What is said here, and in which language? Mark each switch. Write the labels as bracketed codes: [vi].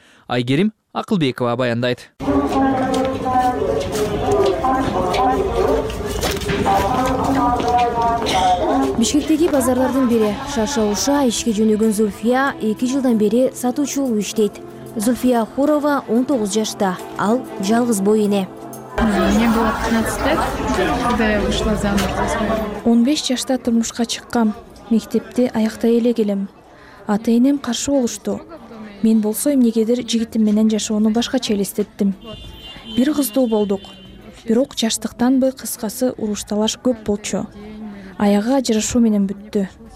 [ky] Айгерим Акылбекова баяндайт. Бишкектеги базарлардын бири, Шашауша ишке жөнөгөн Зульфия 2 жылдан бери сатуучу болуп иштейт. Зульфия Хурова 19 жашта. Ал жалгыз бой эне. [ru] Мне было 15 лет, когда я вышла замуж. [ky] 15 жашта турмушка чыккам. Мектепти аяктай эле келем. Ата-энем каршы болушту. Мен болсо эмнегедир жигитим менен жашоону башкача элестеттим. Бир кыздуу болдук. Бирок жаштыктан бы кыскасы уруш-талаш көп болчу. Аяга жарышуу менен бүттү.